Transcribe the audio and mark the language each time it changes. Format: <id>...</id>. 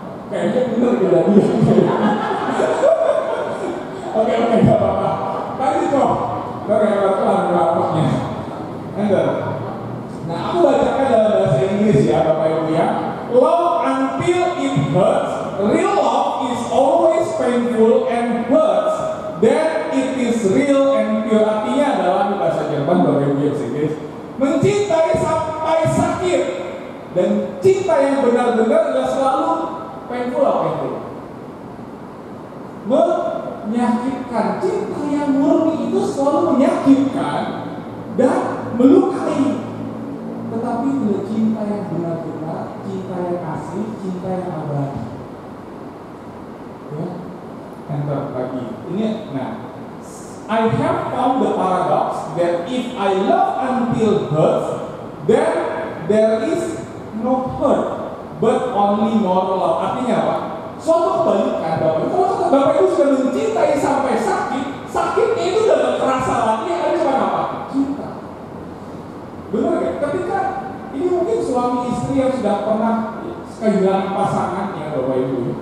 <id>Kayaknya bener tergila-gila. Oke, oke, gak apa-apa. Tadi sih, kok. Gak kayak rapatnya. Enggak. Nah, aku bacakan dalam bahasa Inggris ya, Bapak Ibu ya.</id> <en>Love until it hurts, real love is always painful and hurts, then it is real and pure.</en> <id>Artinya dalam bahasa Jerman, Bapak Ibu yang Inggris, mencintai sampai sakit, dan cinta yang benar-benar gak selalu painful atau painful. Menyakitkan, cinta yang murni itu selalu menyakitkan dan melukai. Tetapi bila cinta yang benar-benar, cinta yang asli, cinta yang abadi. Ya, enter lagi.</id> <en>Ini, nah, I have found the paradox that if I love until hurts, then there is no hurt, but only more love.</en> <id>Artinya apa? Soal kebalikan, Bapak. Bapak itu sudah mencintai sampai sakit, sakitnya itu udah gak terasa lagi, ada cuma apa? Cinta. Benar ya? Ketika ini mungkin suami istri yang sudah pernah kehilangan pasangannya, Bapak Ibu.</id>